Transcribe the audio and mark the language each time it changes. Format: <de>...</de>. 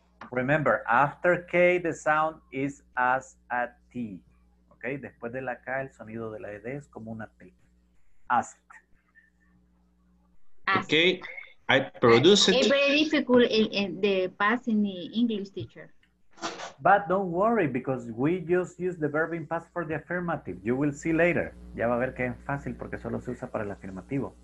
<en>Remember, after K, the sound is as a T. Okay?</en> <es>Después de la K, el sonido de la ED es como una T.</es> <en>Asked. Okay. I produce it. It's very difficult in the past in the English, teacher. But don't worry, because we just use the verb in past for the affirmative. You will see later.</en> <es>Ya va a ver que es fácil porque solo se usa para el afirmativo.</es>